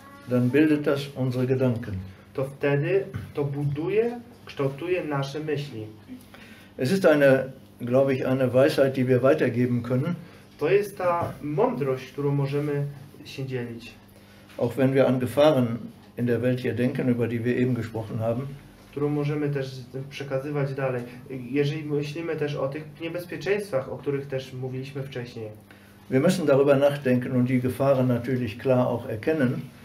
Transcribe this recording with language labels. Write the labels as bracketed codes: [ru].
[de] dann bildet das unsere Gedanken. [pl] To wtedy to buduje, kształtuje nasze myśli. [de] Es ist eine, glaube ich, eine Weisheit, die wir weitergeben können. [pl] To jest ta mądrość, którą możemy się dzielić. [de] Auch wenn wir an Gefahren in der Welt hier denken, über die wir eben gesprochen haben. [pl] Którą możemy też przekazywać dalej. Jeżeli myślimy też o tych niebezpieczeństwach, o których też mówiliśmy wcześniej. [de] Wir müssen darüber nachdenken und die Gefahren natürlich klar auch erkennen.